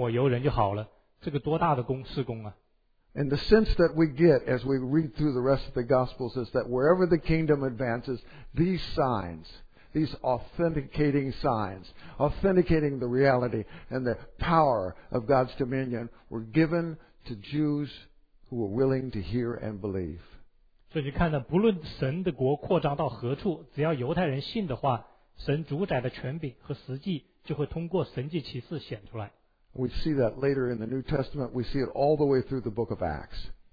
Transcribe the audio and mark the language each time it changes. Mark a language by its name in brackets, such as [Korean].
[Chinese] 他出去叫人悔改，人家就悔改了，赶鬼，鬼都站不住，一抹油人就好了，这个多大的功事功啊！ [English] And the sense that we get as we read through the rest of the Gospels is that wherever the kingdom advances, these signs, these authenticating signs, authenticating the reality and the power of God's dominion were given to Jews who were willing to hear and believe. [Chinese] 所以你看呢，不论神的国扩张到何处，只要犹太人信的话。神主宰的权柄和实际就会通过神迹奇事显出来。 We [English] see that later in the New Testament. We see it all the way through the book of Acts.